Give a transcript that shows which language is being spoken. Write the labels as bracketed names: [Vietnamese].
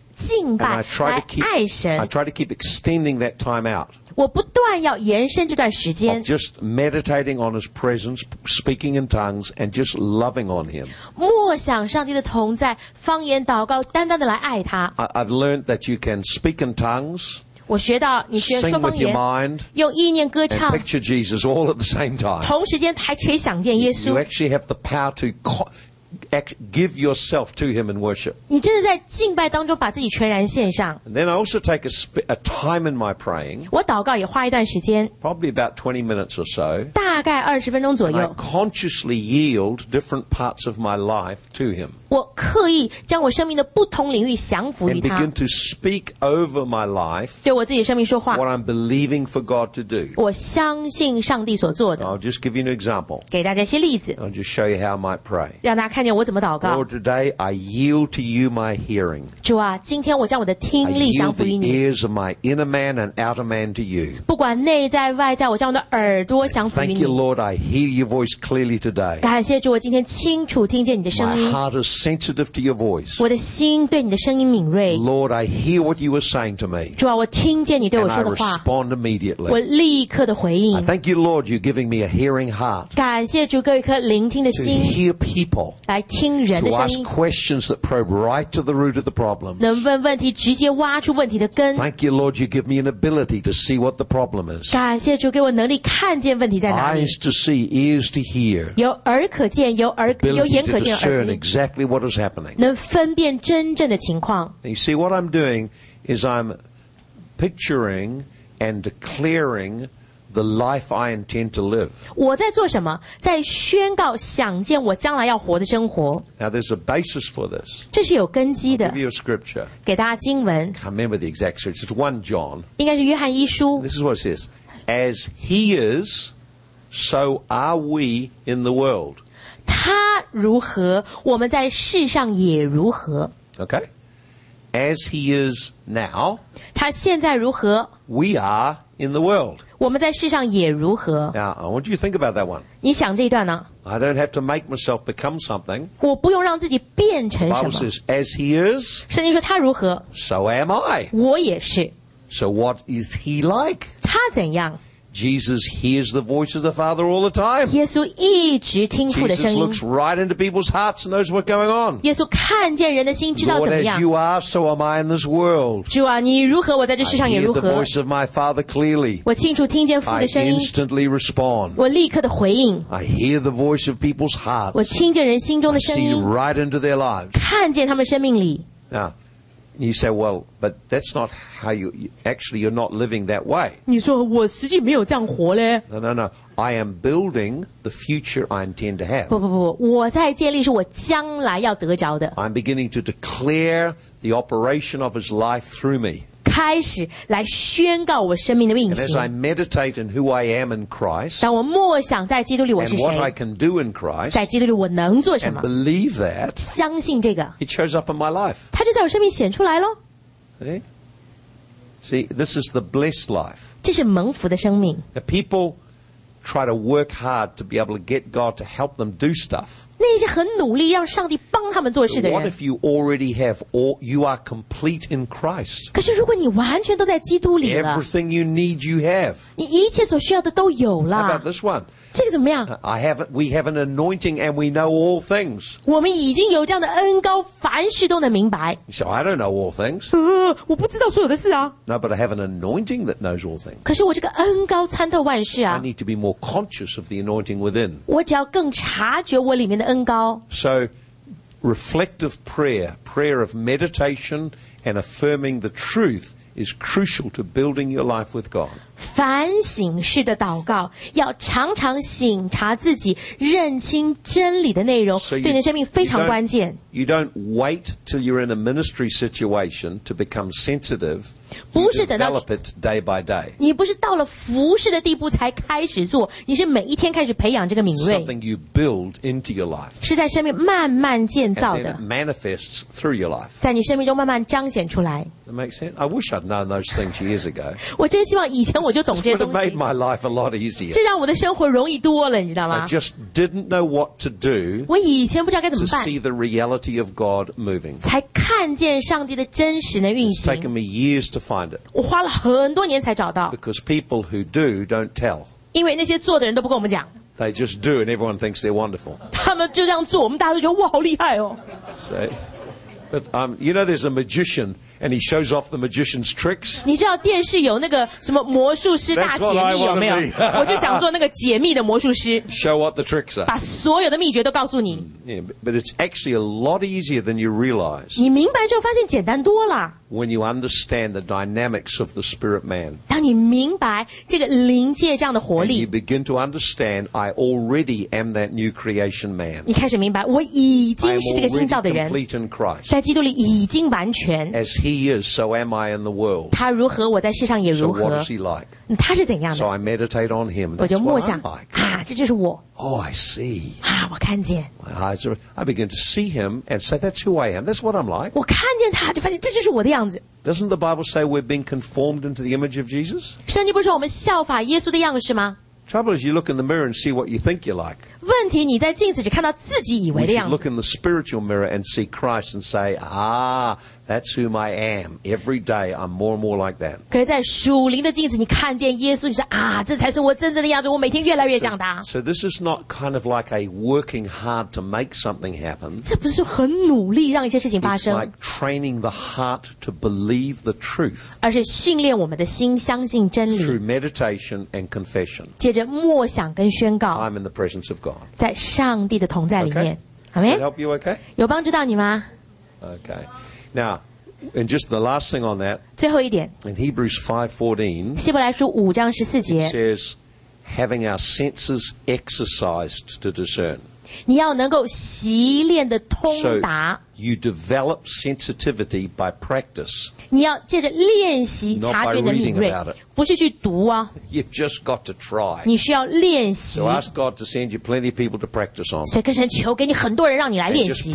[English] And I try to keep extending that time out. [Chinese] 我不断要延伸这段时间, [English] of just meditating on His presence, speaking in tongues, and just loving on Him. [Chinese] 默想上帝的同在, 方言祷告, 单单的来爱他。 [English] I've learned that you can speak in tongues, [Chinese] 我学到你学说方言, [English] sing with your mind, [Chinese] 用意念歌唱, [English] and picture Jesus all at the same time. [Chinese] 同时间还可以想见耶稣。 [English] You actually have the power to give yourself to Him in worship. And then I also take a time in my praying, probably about 20 minutes or so, and I consciously yield different parts of my life to Him and begin to speak over my life what I'm believing for God to do. I'll just give you an example. I'll just show you how I might pray. [Chinese] 我怎么祷告 [English] Lord, today I yield to you my hearing. [Chinese] 主啊，今天我将我的听力降服于你。 [English] I yield the ears of my inner man and outer man to you. [Chinese] 不管内在外在，我将我的耳朵降服于你。 [English] Thank you, Lord, I hear your voice clearly today. [Chinese] 感谢主，我今天清楚听见你的声音。 [English] My heart is sensitive to your voice. [Chinese] 我的心对你的声音敏锐。 [English] Lord, I hear what you are saying to me. [Chinese] 主啊，我听见你对我说的话。 [English] And I respond immediately. [Chinese] 我立刻的回应。 [English] I thank you, Lord, you're giving me a hearing heart. [Chinese] 感谢主，给我一颗聆听的心。 [English] To hear people. [Chinese] 来听人的声音 [English] to ask questions that probe right to the root of the problems. [Chinese] 能问问题，直接挖出问题的根。 [English] Thank you, Lord, you give me an ability to see what the problem is. [Chinese] 感谢主给我能力看见问题在哪里。 [English] Eyes to see, ears to hear. [Chinese] 有耳可见，有耳有眼可见，耳可听。 [English] To discern exactly what is happening. [Chinese] 能分辨真正的情况。 [English] You see, what I'm doing is I'm picturing and declaring. The life I intend to live. [Chinese] 我在做什么？在宣告想见我将来要活的生活。 [English] Now there's a basis for this. [Chinese] 这是有根基的。 [English] I'll give you a scripture. [Chinese] 给大家经文。 [English] I can't remember the exact scripture. It's 1 John. [Chinese] 应该是约翰一书。 [English] This is what it says. As he is, so are we in the world. [Chinese] 他如何，我们在世上也如何。 [English] Okay. As he is now. [Chinese] 他现在如何。 [English] We are in the world. [Chinese] 我们在世上也如何。 [English] Now, I want you to think about that one. [Chinese] 你想这一段呢？ [English] I don't have to make myself become something. [Chinese] 我不用让自己变成什么。 [English] The Bible says, as he is, [Chinese] 圣经说他如何。 [English] So am I. [Chinese] 我也是。 [English] So what is he like? [Chinese] 他怎样？ [English] Jesus hears the voice of the Father all the time. [Chinese] 耶稣一直听父的声音。 [English] Jesus looks right into people's hearts and knows what's going on. [Chinese] 耶稣看见人的心，知道怎么样。 [English] Lord, as you are, so am I in this world. [Chinese] 主啊，你如何，我在这世上也如何。 [English] I hear the voice of my Father clearly. [Chinese] 我清楚听见父的声音。 [English] I instantly respond. [Chinese] 我立刻的回应。 [English] I hear the voice of people's hearts. [Chinese] 我听见人心中的声音。 [English] I see right into their lives. [Chinese] 看见他们生命里。 [English] Now,You say, well, but that's not how you... Actually, you're not living that way. [Chinese] 你说我实际没有这样活嘞。 [English] No, no, no. I am building the future I intend to have. [Chinese] 不不不不，我在建立是我将来要得着的。 [English] I'm beginning to declare the operation of his life through me. [Chinese] 开始来宣告我生命的运行。 [English] And as I meditate in who I am in Christ, [Chinese] 当我默想在基督里我是谁。 [English] And what I can do in Christ, [Chinese] 在基督里我能做什么。 [English] And believe that, [Chinese] 相信这个。 [English] It shows up in my life. [Chinese] 它就在我生命显出来咯。 [English] See, this is the blessed life. [Chinese] 这是蒙福的生命。 [English] Now, people try to work hard to be able to get God to help them do stuff. [Chinese] 那些很努力让上帝帮他们做事的人。 [English] What if you already have all, you are complete in Christ? [Chinese] 可是如果你完全都在基督里了。 [English] Everything you need, you have. [Chinese] 你一切所需要的都有了。 [English] How about this one? [Chinese] 这个怎么样？ [English] We have an anointing and we know all things. [Chinese] 我们已经有这样的恩膏，凡事都能明白。 [English] So I don't know all things. [Chinese] 我不知道所有的事啊。 [English] No, but I have an anointing that knows all things. [Chinese] 可是我这个恩膏参透万事啊。 [English] I need to be more conscious of the anointing within. [Chinese] 我只要更察觉我里面的恩膏。 [English] So, reflective prayer, prayer of meditation and affirming the truth is crucial to building your life with God. [Chinese] 反省式的祷告，要常常省察自己，认清真理的内容，对你的生命非常关键。 [English] You don't wait till you're in a ministry situation to become sensitive. You develop it day by day. [Chinese] 你不是到了服事的地步才开始做，你是每一天开始培养这个敏锐。 [English] Something you build into your life. [Chinese] 是在生命慢慢建造的。 [English] And then it manifests through your life. [Chinese] 在你生命中慢慢彰显出来。 [English] That makes sense. I wish I'd known those things years ago. [Chinese] 我真希望以前我就懂这些东西。 [English] It would have made my life a lot easier. [Chinese] 这让我的生活容易多了，你知道吗？ [English] I just didn't know what to do. [Chinese] 我以前不知道该怎么办。 [English] To see the reality. Of God moving. [Chinese] 才看见上帝的真实的运行。 [English] It's taken me years to find it. [Chinese] 我花了很多年才找到。 [English] Because people who do don't tell. [Chinese] 因为那些做的人都不跟我们讲。 [English] They just do and everyone thinks they're wonderful. [Chinese] 他们就这样做，我们大家都觉得哇，好厉害哦。 [English] So, but you know there's a magician and he shows off the magician's tricks. [Chinese] 你知道电视有那个什么魔术师大解密有没有？我就想做那个解密的魔术师。 [English] Show what the tricks are. [Chinese] 把所有的秘诀都告诉你。 [English] Yeah, but it's actually a lot easier than you realize. [Chinese] 你明白之后发现简单多了。 [English] When you understand the dynamics of the spirit man. [Chinese] 当你明白这个灵界这样的活力。 [English] And you begin to understand, I already am that new creation man. [Chinese] 你开始明白，我已经是这个新造的人。 [English] I'm already complete in Christ. [Chinese] 在在基督里已经完全。 [English] As he is, so am I in the world. [Chinese] 他如何，我在世上也如何。 [English] So what is he like? [Chinese] 他是怎样的？ [English] So I meditate on him. That's [Chinese] 我就默想 [English] what I'm like. [Chinese] 啊，这就是我。 [English] Oh, I see. [Chinese] 啊，我看见。 [English] My eyes are. I begin to see him and say, "That's who I am. That's what I'm like." [Chinese] 我看见他，就发现这就是我的样子。 [English] Doesn't the Bible say we're being conformed into the image of Jesus? [Chinese] 圣经不是说我们效法耶稣的样式吗？ [English] Trouble is, you look in the mirror and see what you think you like. [Chinese] 问题你在镜子只看到自己以为的样子。 [English] You should look in the spiritual mirror and see Christ and say, "Ah, that's whom I am." Every day, I'm more and more like that. [Chinese] 可是在属灵的镜子，你看见耶稣，你说啊，这才是我真正的样子。我每天越来越像他。 [English] So this is not kind of like a working hard to make something happen. [Chinese] 这不是很努力让一些事情发生。 [English] It's like training the heart to believe the truth. [Chinese] 而是训练我们的心相信真理。 [English] Through meditation and confession. [Chinese] 接着默想跟宣告。 [English] I'm in the presence of God. [Chinese] 在上帝的同在里面 [English] okay. Amen? Help you, okay? [Chinese] 有帮助到你吗 [English] Okay. Now, and just the last thing on that [Chinese] 最后一点 [English] In Hebrews 5:14 [Chinese] 希伯来书五章十四节 [English] It says Having our senses exercised to discern [Chinese] 你要能够习练的通达 [English] So you develop sensitivity by practice [Chinese] 你要借着练习察觉的敏锐不是去读啊 [English] You've just got to try [Chinese] 你需要练习 [English] So ask God to send you plenty of people to practice on [Chinese] 所以跟神求给你很多人让你来练习